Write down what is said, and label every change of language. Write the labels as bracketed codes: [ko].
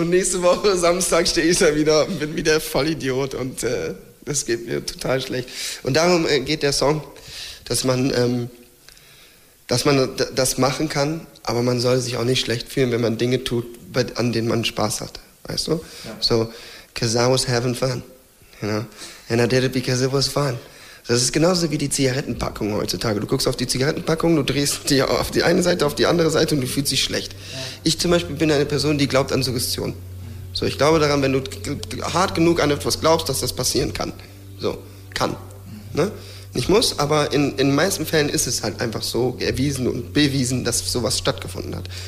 [de] Und nächste Woche Samstag stehe ich da wieder und bin wieder Vollidiot und das geht mir total schlecht. Und darum geht der Song, dass man das machen kann, aber man soll sich auch nicht schlecht fühlen, wenn man Dinge tut, an denen man Spaß hat, weißt du? Ja. [en] So, because I was having fun, you know, and I did it because it was fun. [de] Das ist genauso wie die Zigarettenpackung heutzutage. Du guckst auf die Zigarettenpackung, du drehst die auf die eine Seite, auf die andere Seite und du fühlst dich schlecht. Ja. Ich zum Beispiel bin eine Person, die glaubt an Suggestion. So, ich glaube daran, wenn du hart genug an etwas glaubst, dass das passieren kann. So, kann. Mhm. Ne? Nicht muss, aber in den meisten Fällen ist es halt einfach so erwiesen und bewiesen, dass sowas stattgefunden hat.